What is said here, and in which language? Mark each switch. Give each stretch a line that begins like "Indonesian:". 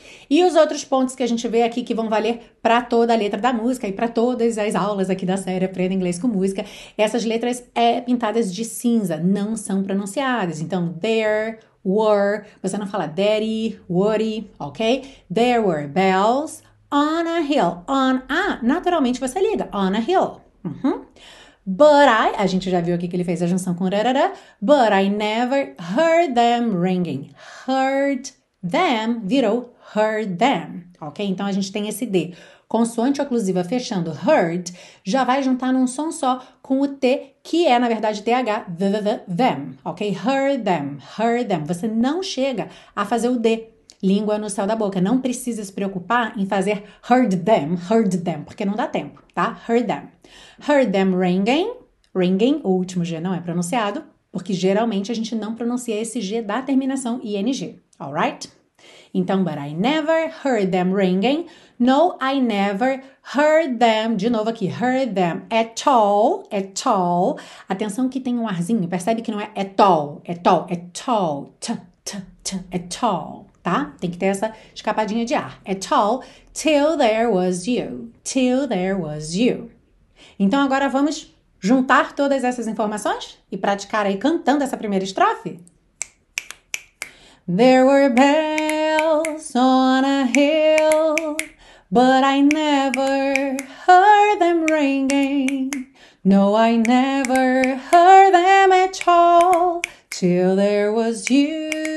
Portuguese: E os outros pontos que a gente vê aqui que vão valer para toda a letra da música e para todas as aulas aqui da série Aprenda Inglês com Música, essas letras é pintadas de cinza, não são pronunciadas. Então,
English: there were,
Portuguese: você não fala daddy, woody, ok?
English: There were bells on a hill. On a,
Portuguese: naturalmente você liga,
English: on a hill. But I,
Portuguese: a gente já viu aqui que ele fez a junção com rarará,
English: but I never heard them ringing. Heard them
Portuguese: virou
English: heard them, ok?
Portuguese: Então a gente tem esse D. Consoante oclusiva fechando heard, já vai juntar num som só com o T, que é na verdade TH, them, ok?
English: Heard them.
Portuguese: Você não chega a fazer o D, língua no céu da boca. Não precisa se preocupar em fazer
English: heard them,
Portuguese: porque não dá tempo, tá?
English: Heard them. Heard them ringing,
Portuguese: o último G não é pronunciado, porque geralmente a gente não pronuncia esse G da terminação ing,
English: alright?
Portuguese: Então,
English: but I never heard them ringing. No, I never heard them.
Portuguese: De novo aqui,
English: heard them at all, at all.
Portuguese: Atenção que tem um arzinho. Percebe que não é
English: at all, at all,
Portuguese: at all, t, t, t, at all. Tá? Tem que ter essa escapadinha de ar.
English: É tall till there was you. Till there was you.
Portuguese: Então agora vamos juntar todas essas informações e praticar aí cantando essa primeira estrofe.
English: There were bells on a hill, but I never heard them ringing. No, I never heard them at all till there was you.